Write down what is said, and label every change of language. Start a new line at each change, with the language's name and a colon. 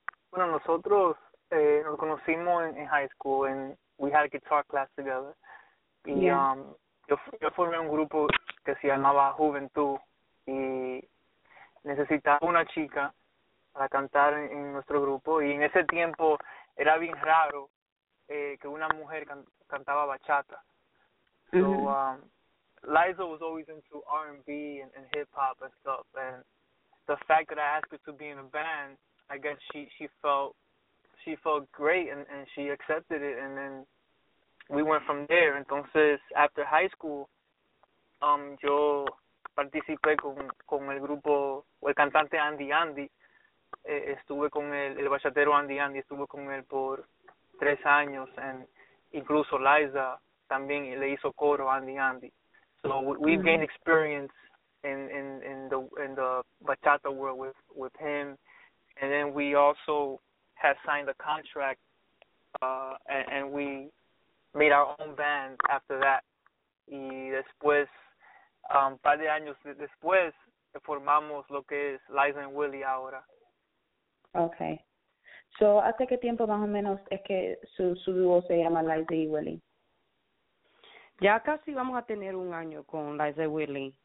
Spanish: Bueno, nosotros nos conocimos en
English: high school and we had a guitar class together. Y yeah.
Spanish: Yo formé un grupo que se llamaba Juventud y necesitaba una chica para cantar en nuestro grupo. Y en ese tiempo era bien raro que una mujer cantaba bachata.
English: So Liza was always into R&B and hip-hop and stuff. And the fact that I asked her to be in a band, I guess she felt great and she accepted it. And then we went from there.
Spanish: Entonces,
English: after high school,
Spanish: yo participé con el grupo, o el cantante Andy. Estuve con el bachatero Andy, estuve con él por 3 años. And incluso Liza también le hizo coro a Andy.
English: So we've gained experience in the bachata world with him. And then we also had signed a contract and we made our own band after that.
Spanish: Y después, par de años después, formamos lo que es Liza y Willie ahora.
English: Okay.
Spanish: So, ¿hace qué tiempo más o menos es que su dúo se llama Liza y Willie? Ya casi vamos a tener un año con Liza y Willie.